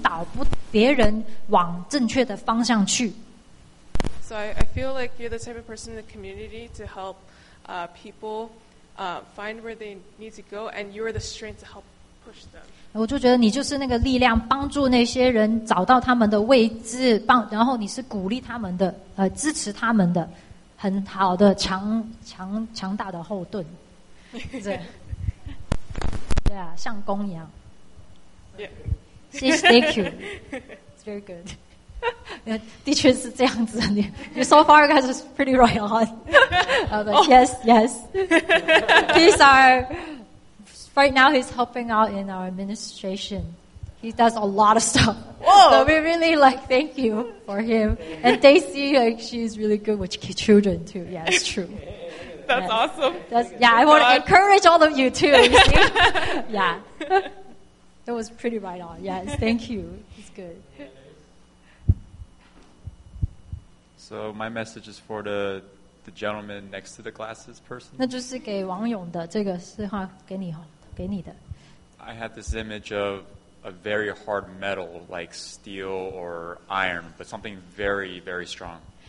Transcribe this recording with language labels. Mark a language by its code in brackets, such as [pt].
[zh] 所以我觉得神特意要让你想到，就是那个弓非常有能力。他说那个不只是他有能力而已，就是说他可以引导别人往正确的方向去。 [en] So I feel like you're the type of person in the community to help people find where they need to go, and you're the strength to help push them. [zh] 我就觉得你就是那个力量，帮助那些人找到他们的位置，帮然后你是鼓励他们的，支持他们的，很好的强大的后盾，对，像弓一样。Yeah, [en] thank you. It's very good. [zh] 的确是这样子的。 [en] So far, guys, is pretty royal. Yes, yes. He's our right now. He's helping out in our administration. He does a lot of stuff. Whoa. So we really like thank you for him. And Daisy, like, she's really good with children too. Yeah, it's true. That's yeah. awesome. That's, yeah, I want to encourage all of you too. You see? Yeah, that was pretty right on. Yes, thank you. It's good. So my message is for the gentleman next to the glasses person. [zh] 那就是给王勇的，这个是话给你，给你的。 [en] I have this image of a very hard metal like steel or iron, but something very, very strong.